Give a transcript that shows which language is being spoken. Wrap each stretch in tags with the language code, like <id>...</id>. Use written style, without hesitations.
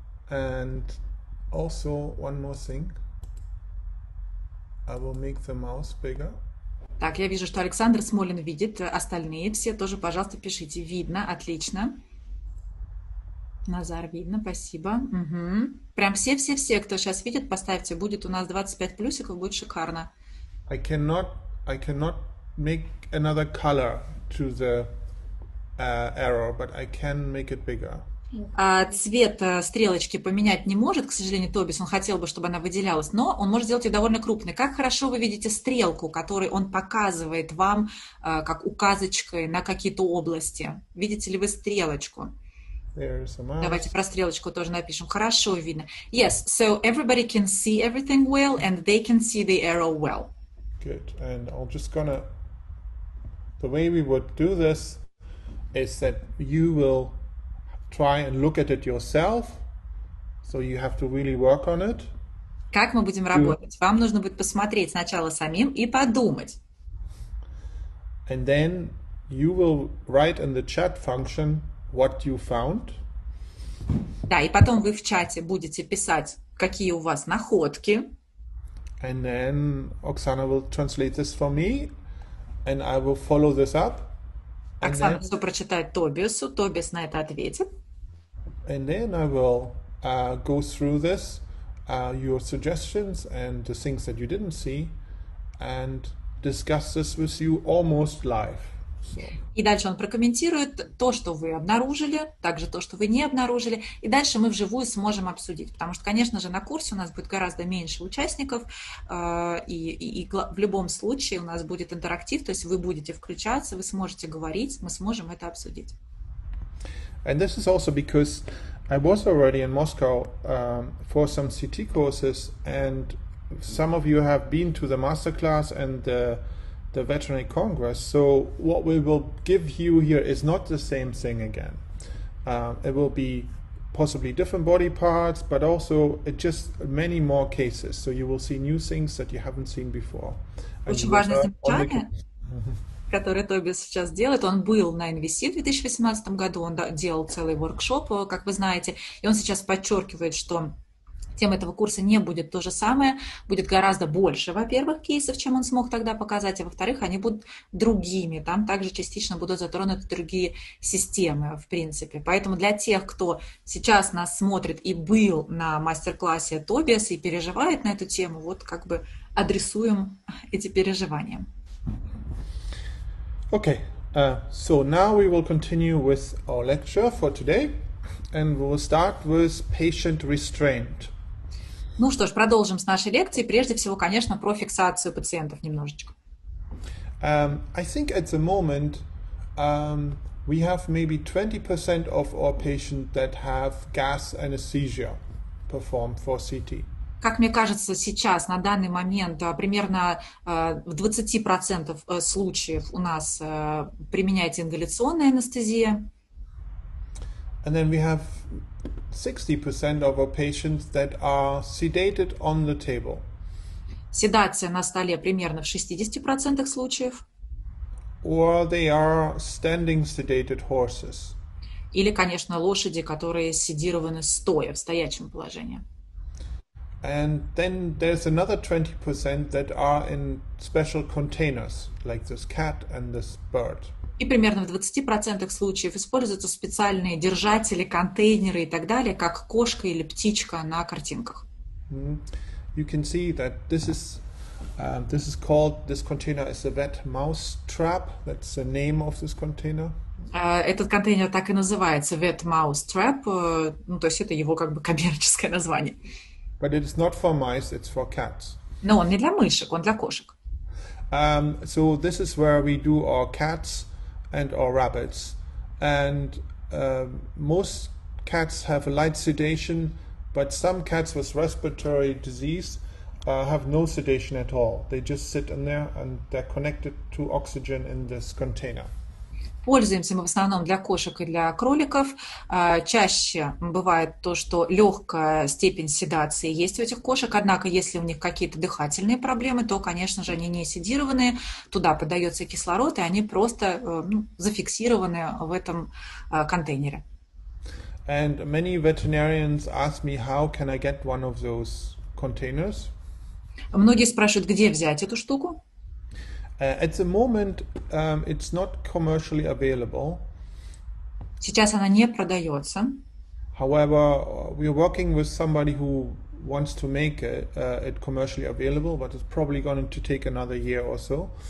<en>And also one more thing. I will make the mouse bigger.</en> <ru>Так, я вижу, что Александр Смолин видит. Остальные все тоже, пожалуйста, пишите. Видно, отлично. Назар, видно, спасибо. Угу. Прям все-все-все, кто сейчас видит, поставьте. Будет у нас 25 плюсиков, будет шикарно.</ru> <en>I cannot make another color to the error, but I can make it bigger.</en> <ru>Цвет стрелочки поменять не может, к сожалению, Тобис, он хотел бы, чтобы она выделялась, но он может сделать ее довольно крупной. Как хорошо вы видите стрелку, которую он показывает вам как указочкой на какие-то области? Видите ли вы стрелочку? Давайте про стрелочку тоже напишем. Хорошо видно.</ru> <en>Yes, so everybody can see everything well and they can see the arrow well. Good, and I'm just gonna. The way we would do this is that you will try and look at it yourself, so you have to really work on it.</en> <ru>Как мы будем работать? Вам нужно будет посмотреть сначала самим и подумать.</ru> <en>And then you will write in the chat function what you found.</en> <ru>Да, и потом вы в чате будете писать, какие у вас находки.</ru> <en>And then Oksana will translate this for me, and I will follow this up.</en> <ru>Оксана все прочитает Тобиасу, Тобиас на это ответит.</ru> <en>And then I will go through this, your suggestions and the things that you didn't see, and discuss this with you almost live.</en> <ru>И дальше он прокомментирует то, что вы обнаружили, также то, что вы не обнаружили. И дальше мы вживую сможем обсудить. Потому что, конечно же, на курсе у нас будет гораздо меньше участников. И в любом случае у нас будет интерактив. То есть вы будете включаться, вы сможете говорить, мы сможем это обсудить.</ru> <en>And this is also because I was already in Moscow for some CT courses, and some of you have been to the masterclass and the veterinary congress. So what we will give you here is not the same thing again. It will be possibly different body parts, but also just many more cases. So you will see new things that you haven't seen before.</en> <ru>Очень важное замечание. Который Тоби сейчас делает, он был на NVC в 2018 году, он делал целый воркшоп, как вы знаете, и он сейчас подчеркивает, что тема этого курса не будет то же самое, будет гораздо больше, во-первых, кейсов, чем он смог тогда показать, а во-вторых, они будут другими, там также частично будут затронуты другие системы, в принципе. Поэтому для тех, кто сейчас нас смотрит и был на мастер-классе Тобиаса и переживает на эту тему, вот как бы адресуем эти переживания.</ru> <en>Okay, so now we will continue with our lecture for today, and we will start with patient restraint.</en> <ru>Ну что ж, продолжим с нашей лекции. Прежде всего, конечно, про фиксацию пациентов немножечко.</ru> <en>I think at the moment we have maybe 20% of our patients that have gas anesthesia performed for CT.</en> <ru>Как мне кажется, сейчас, на данный момент, примерно в 20% случаев у нас применяется ингаляционная анестезия.</ru> <en>And then we have 60% of our patients that are sedated on the table.</en> <ru>Седация на столе примерно в 60% случаев.</ru> <en>Or they are standing sedated horses.</en> <ru>Или, конечно, лошади, которые седированы стоя, в стоячем положении.</ru> <en>And then there's another 20% that are in special containers, like this cat and this bird.</en> <ru>И примерно в 20% случаев используются специальные держатели, контейнеры и так далее, как кошка или птичка на картинках. Mm-hmm.</ru> <en>You can see that this is called, this container is a vet mouse trap. That's the name of this container.</en> <ru>Этот контейнер так и называется, vet mouse trap. Ну, то есть это его как бы коммерческое название.</ru> <en>But it is not for mice, it's for cats.</en> <ru>Но он не для мышек, он для кошек.</ru> <en>So this is where we do our cats and our rabbits. And most cats have a light sedation, but some cats with respiratory disease have no sedation at all. They just sit in there and they're connected to oxygen in this container.</en> <ru>Пользуемся мы в основном для кошек и для кроликов. Чаще бывает то, что легкая степень седации есть у этих кошек, однако если у них какие-то дыхательные проблемы, то, конечно же, они не седированные, туда подается кислород, и они просто зафиксированы в этом контейнере.</ru> <en>And many veterinarians ask me, how can I get one of those containers?</en> <ru>Многие спрашивают, где взять эту штуку?</ru> <en>At the moment, it's not commercially available.</en> <ru>Сейчас она не продается.</ru> <en>However, we are working with somebody who wants to make it commercially available, but it's probably going to take another year or so.</en>